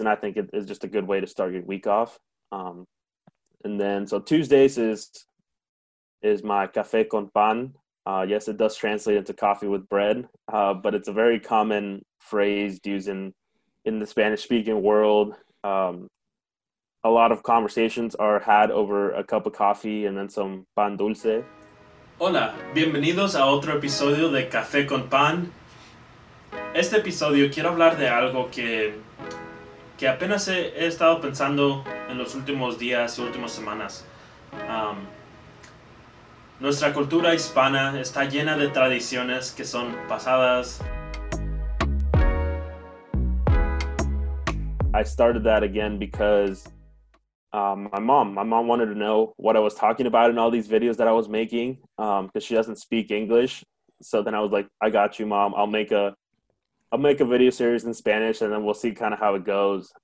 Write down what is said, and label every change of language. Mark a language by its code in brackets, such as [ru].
[en] And I think it's just a good way to start your week off. And then, so Tuesdays is my café con pan. Yes, it does translate into coffee with bread, but it's a very common phrase used in the Spanish-speaking world. A lot of conversations are had over a cup of coffee and then some pan dulce. [es] Hola, bienvenidos a otro episodio de Café con Pan. Este episodio quiero hablar de algo que apenas he estado pensando en los últimos días y últimas semanas. Nuestra cultura hispana está llena de tradiciones que son pasadas. [en] I started that again because my mom wanted to know what I was talking about in all these videos that I was making, because she doesn't speak English. So then I was like, I got you, Mom. I'll make a video series in Spanish, and then we'll see kind of how it goes.